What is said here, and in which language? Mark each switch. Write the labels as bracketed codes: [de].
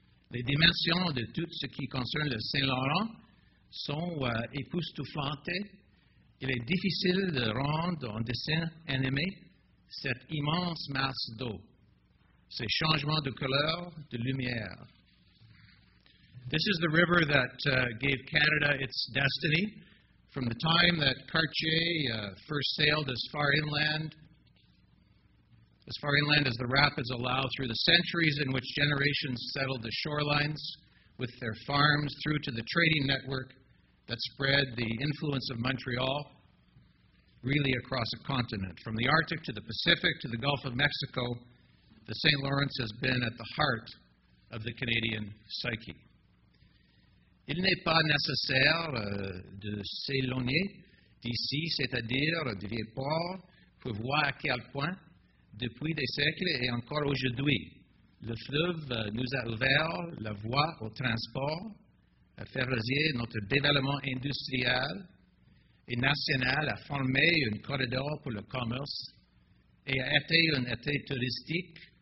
[fr] Les dimensions de tout ce qui concerne le Saint-Laurent sont époustouflantes. Il est difficile de rendre en dessin animé cette immense masse d'eau, ces changements de couleur, de lumière. [en] This is the river that gave Canada its destiny from the time that Cartier first sailed as far inland as the rapids allow, through the centuries in which generations settled the shorelines with their farms, through to the trading network that spread the influence of Montreal really across a continent. From the Arctic to the Pacific to the Gulf of Mexico, the St. Lawrence has been at the heart of the Canadian psyche. [fr] Il n'est pas nécessaire de s'éloigner d'ici, c'est-à-dire de Vieux-Port, pour voir à quel point depuis des siècles et encore aujourd'hui, le fleuve nous a ouvert la voie au transport, a favorisé notre développement industriel et national, a formé un corridor pour le commerce et a été un été touristique.